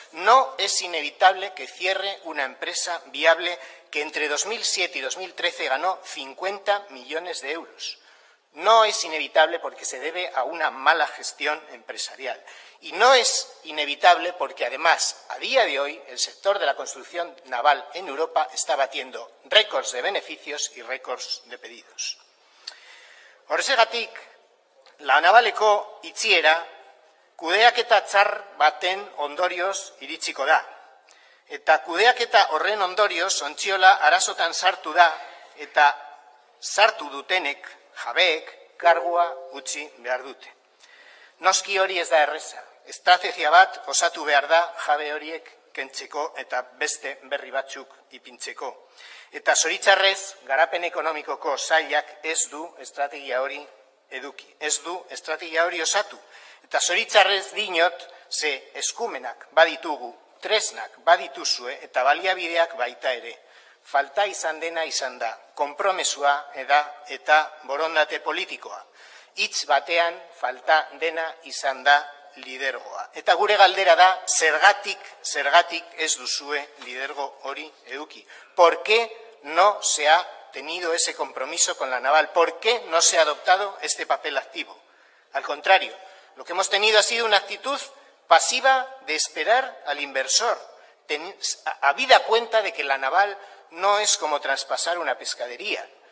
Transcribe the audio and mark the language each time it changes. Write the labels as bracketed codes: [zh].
[es] No es inevitable que cierre una empresa viable que entre 2007 y 2013 ganó 50 millones de euros. No es inevitable porque se debe a una mala gestión empresarial. Y no es inevitable porque, además, a día de hoy, el sector de la construcción naval en Europa está batiendo récords de beneficios y récords de pedidos. [eu] Horrexegatik, la Navaleko itxiera kudeaketa txar baten ondorioz iritsiko da. Eta kudeaketa horren ondorioz ontziola arazotan sartu da eta sartu dutenek, jabeek, kargua utzi behar dute. Noski hori ez da erreza. Estrategia bat osatu behar da jabe horiek kentzeko eta beste berri batzuk ipintzeko. Eta zoritzarrez, garapen ekonomikoko sailak ez du estrategia hori eduki. Ez du estrategia hori osatu. Eta zoritzarrez dinot, ze eskumenak baditugu, tresnak badituzue eta baliabideak baita ere. Falta izan dena izan da, konpromesua eda eta borondate politikoa. Hitz batean falta dena izan da lidergoa. Eta gure galdera da, zergatik ez duzue lidergo hori eduki. [es] ¿Por qué no se ha tenido ese compromiso con la Naval? ¿Por qué no se ha adoptado este papel activo? Al contrario, lo que hemos tenido ha sido una actitud pasiva de esperar al inversor, habida cuenta de que la Naval no es como traspasar una pescadería.